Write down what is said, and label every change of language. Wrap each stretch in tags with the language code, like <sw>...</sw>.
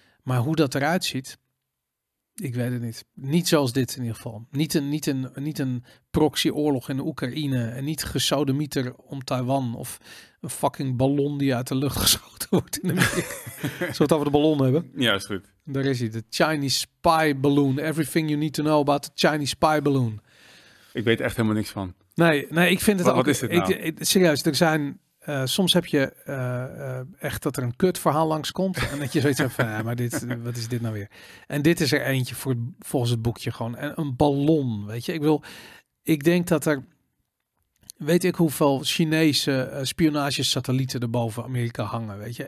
<nl>Maar hoe dat eruit ziet, ik weet het niet. Niet zoals dit in ieder geval. Niet een proxyoorlog in de Oekraïne. En niet gesodemieter om Taiwan. Of een fucking ballon die uit de lucht geschoten wordt in Amerika. Zullen we het over de ballon hebben? Ja, is goed. Daar is hij. De Chinese spy balloon.</nl> <en>Everything you need to know about the Chinese spy balloon.</en> <nl>Ik weet echt helemaal niks van. Nee, ik vind het wat ook... Wat is dit nou? Serieus, er zijn... soms heb je echt dat er een kutverhaal langskomt. En dat je zoiets hebt van, ja, maar dit, wat is dit nou weer? En dit is er eentje volgens het boekje gewoon. En een ballon, weet je. Ik bedoel, ik denk dat er, weet ik hoeveel Chinese spionagesatellieten er boven Amerika hangen, weet je.</nl>